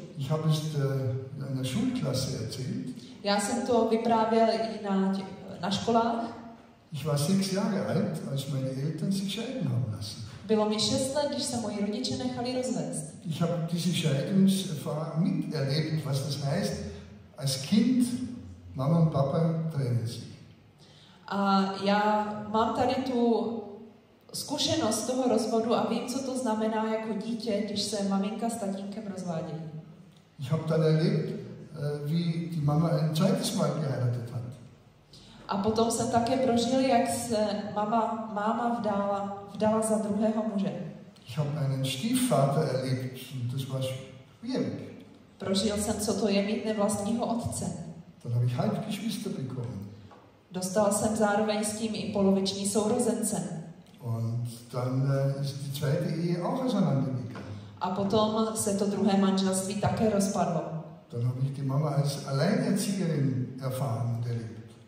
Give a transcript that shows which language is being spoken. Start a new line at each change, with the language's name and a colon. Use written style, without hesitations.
German: Ich habe es in einer Schulklasse erzählt.
Czech: Já jsem to vyprávěl i na školách.
German: Ich war 6 Jahre alt, als meine Eltern sich scheiden haben lassen.
Czech: Bylo mi 6 let, když se moji rodiče nechali rozvést.
German: Ich habe diese Scheidungserfahrung miterlebt, was das heißt, als Kind Mama und Papa trennen sich.
Czech: A já mám tady tu zkušenost toho rozvodu a vím, co to znamená jako dítě, když se maminka s tatínkem rozvádějí.
German: Ich habe dann erlebt, wie die Mama ein zweites Mal geheiratet hat.
Czech: A potom jsem také prožil, jak se máma vdala za druhého muže.
German: Ich habe einen Stiefvater erlebt und das war schwierig.
Czech: Prožil jsem, co to je mít nevlastního otce.
German: Dann habe ich Halbgeschwister bekommen.
Czech: Dostal jsem zároveň s tím i poloviční sourozence.
German: Und dann ist die zweite Ehe auch auseinandergegangen.
Czech: A potom se to druhé manželství také rozpadlo.
German: Dann habe ich die Mama als Alleinerzieherin erfahren und erlebt.